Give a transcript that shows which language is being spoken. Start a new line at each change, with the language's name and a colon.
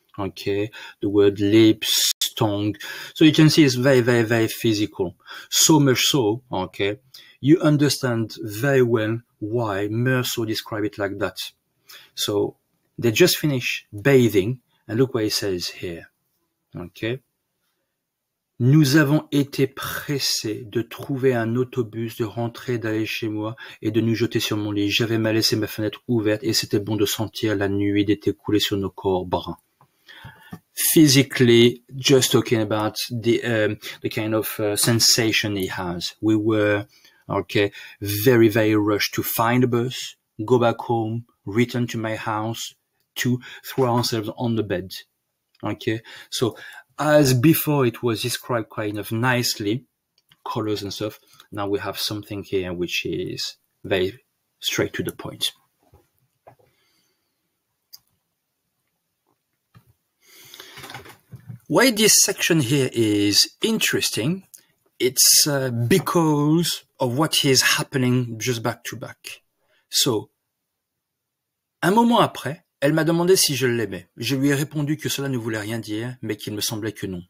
English: Okay, the word lips, tongue. So you can see it's very, very, very physical. So much so, okay, you understand very well why Merceau described it like that. So they just finished bathing and look what he says here. Okay.
French: Nous avons été pressés de trouver un autobus, de rentrer, d'aller chez moi et de nous jeter sur mon lit. J'avais mal laissé ma fenêtre ouverte et c'était bon de sentir la nuit d'été couler sur nos corps bruns.
English: Physically, just talking about the kind of sensation he has. We were, okay, very, very rushed to find a bus, go back home, return to my house, to throw ourselves on the bed. Okay, so as before, it was described kind of nicely, colors and stuff. Now we have something here which is very straight to the point. Why this section here is interesting, it's because of what is happening just back to back.
French: So, un moment après, elle m'a demandé si je l'aimais. Je lui ai répondu que cela ne voulait rien dire, mais qu'il me semblait que non.